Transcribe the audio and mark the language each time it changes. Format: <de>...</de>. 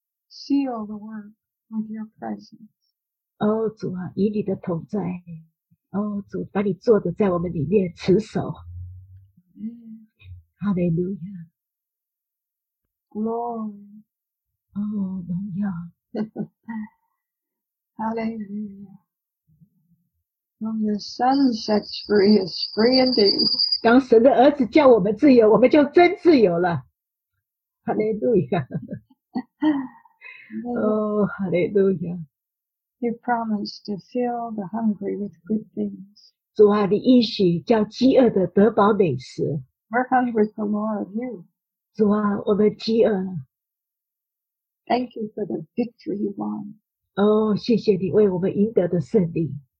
<en>Seal the work with your presence.</en> <zh>哦，主啊，以你的同在。哦，主，把你做的在我们里面持守。</zh> <en>Amen. Hallelujah. Glory. đúng rồi. Hallelujah. When the sun sets free, it's free indeed.</en> <zh>当神的儿子叫我们自由，我们就真自由了。</zh> <en>Hallelujah. Oh, hallelujah. He promised to fill the hungry with good things.</en> <zh>主啊，你应许叫饥饿的得饱美食。</zh> <en>We're hungry for more of you.</en> <zh>主啊，我们饥饿了。</zh> <en>Thank you for the victory you won.</en> <zh>哦，谢谢你为我们赢得的胜利。</zh>